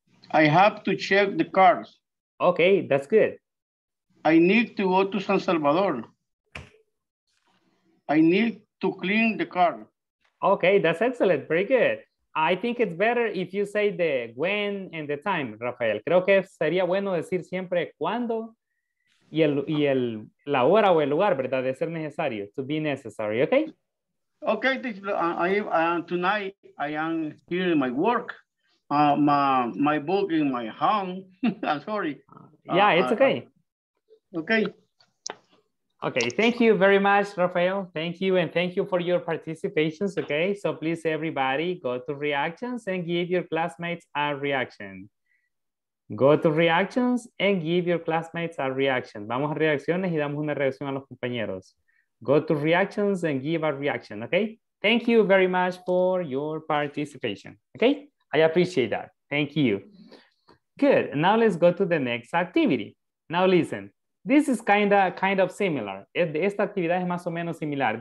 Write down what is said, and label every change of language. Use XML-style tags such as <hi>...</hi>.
<en>I have to check the cars. Okay, that's good. I need to go to San Salvador. I need to clean the car. Okay, that's excellent. Very good. I think it's better if you say the when and the time, Rafael.</en> <es>Creo que sería bueno decir siempre cuándo y el la hora o el lugar, ¿verdad? De ser necesario,</es> <en>to be necessary, okay? Okay, tonight I am here in my work. My book in my home. I'm sorry. Yeah, it's okay. Okay. Okay, thank you very much, Rafael. Thank you, and thank you for your participations, okay? So please, everybody, go to reactions and give your classmates a reaction. Go to reactions and give your classmates a reaction.</en> <es>Vamos a reacciones y damos una reacción a los compañeros.</es> <en>Go to reactions and give a reaction, okay? Thank you very much for your participation, okay? I appreciate that. Thank you. Good, now let's go to the next activity. Now listen. This is kind of similar.</en> <es>Esta actividad es más o menos similar.</es>